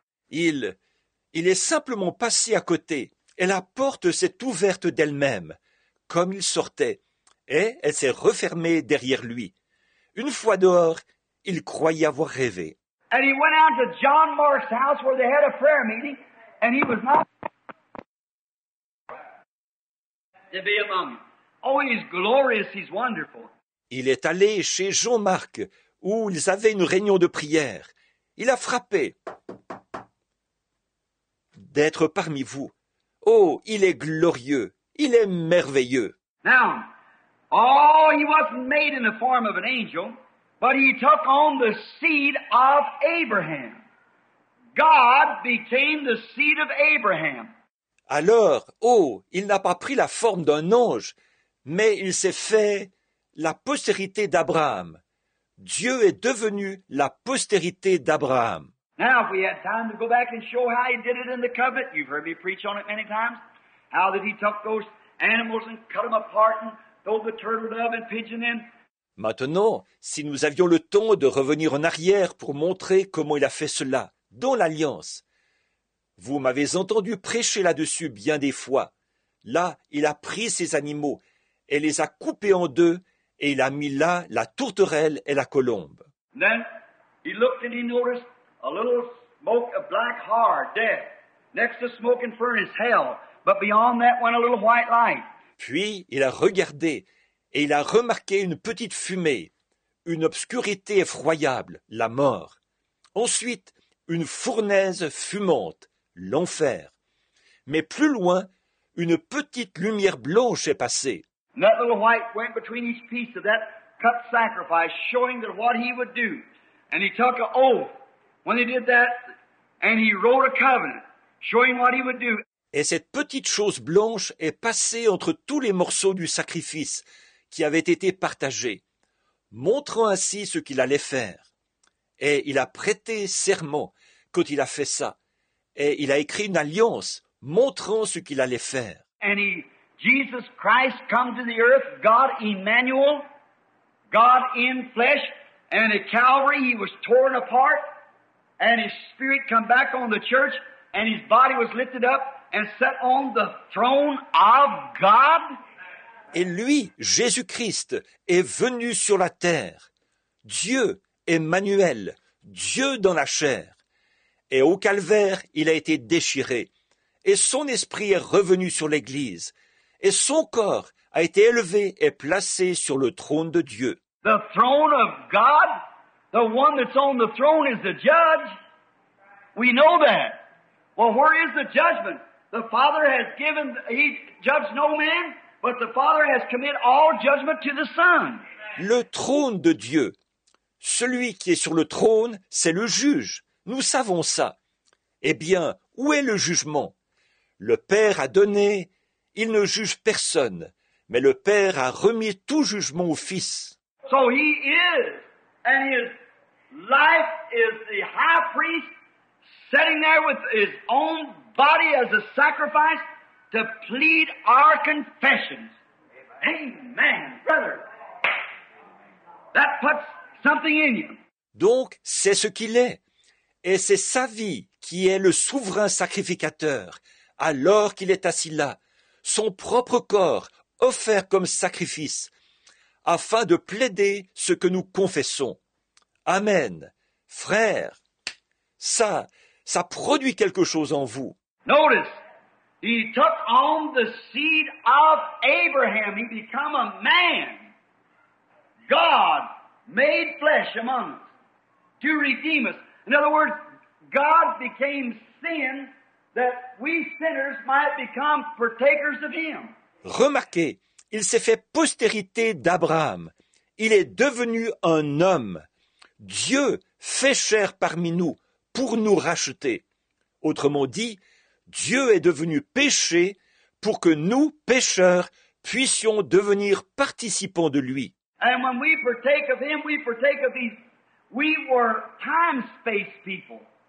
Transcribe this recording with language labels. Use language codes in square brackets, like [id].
[fr] Il est simplement passé à côté et la porte s'est ouverte d'elle-même, comme il sortait, et elle s'est refermée derrière lui. Une fois dehors, il croyait avoir rêvé. [en] And he went out to John Mark's house where they had a prayer meeting. And he was not to be among you. Oh, he's glorious, he's wonderful. [fr] Il est allé chez Jean-Marc, où ils avaient une réunion de prière. Il a frappé d'être parmi vous. Oh, il est glorieux, il est merveilleux. [en] Now, oh, he wasn't made in the form of an angel, but he took on the seed of Abraham. God became the seed of Abraham. [fr] Alors, oh, il n'a pas pris la forme d'un ange, mais il s'est fait la postérité d'Abraham. Dieu est devenu la postérité d'Abraham. [en] Now, if we had time to go back and show how he did it in the covenant, you've heard me preach on it many times, how that he took those animals and cut them apart and throw the turtle dove and pigeon in. [fr] Maintenant, si nous avions le temps de revenir en arrière pour montrer comment il a fait cela, dans l'Alliance. Vous m'avez entendu prêcher là-dessus bien des fois. Là, il a pris ces animaux et les a coupés en deux et il a mis là la tourterelle et la colombe. [en] Then he looked and he noticed a little smoke of black heart, death, next to smoking furnace, hell, but beyond that went a little white light. [fr] Puis il a regardé et il a remarqué une petite fumée, une obscurité effroyable, la mort. Ensuite, une fournaise fumante, l'enfer. Mais plus loin, une petite lumière blanche est passée. [en] That little white went between each piece of that cut sacrifice, showing that what he would do. And he took an oath when he did that, and he wrote a covenant, showing what he would do. [fr] Et cette petite chose blanche est passée entre tous les morceaux du sacrifice qui avait été partagé, montrant ainsi ce qu'il allait faire. Et il a prêté serment quand il a fait ça. Et il a écrit une alliance montrant ce qu'il allait faire. [en] And he, Jesus Christ come to the earth, God Emmanuel, God in flesh, and at Calvary he was torn apart, and his spirit come back on the church, and his body was lifted up and set on the throne of God. [fr] Et lui, Jésus Christ, est venu sur la terre. Dieu, Emmanuel, Dieu dans la chair. Et au calvaire, il a été déchiré. Et son esprit est revenu sur l'Église. Et son corps a été élevé et placé sur le trône de Dieu. [en] The throne of God, The one that's on the throne is the judge. We know that. Well, where is the judgment? The Father has given, he judged no man, but the Father has committed all judgment to the Son. [fr] Le trône de Dieu. Celui qui est sur le trône, c'est le juge. Nous savons ça. Eh bien, où est le jugement? Le Père a donné, il ne juge personne, mais le Père a remis tout jugement au Fils. [en] So he is, and his life is the high priest sitting there with his own body as a sacrifice to plead our confessions. Amen, brother. That puts something in you. [fr] Donc, c'est ce qu'il est. Et c'est sa vie qui est le souverain sacrificateur, alors qu'il est assis là, son propre corps offert comme sacrifice, afin de plaider ce que nous confessons. Amen. Frère, ça produit quelque chose en vous. [en] Notice, he took on the seed of Abraham. He became a man. God made flesh among us to redeem us. In other words, God became sin that we sinners might become partakers of him. [fr] Remarquez, il s'est fait postérité d'Abraham. Il est devenu un homme. Dieu fait chair parmi nous pour nous racheter. Autrement dit, Dieu est devenu péché pour que nous, pécheurs, puissions devenir participants de lui. [en] And when we partake of him, we partake of these. We were time-space people.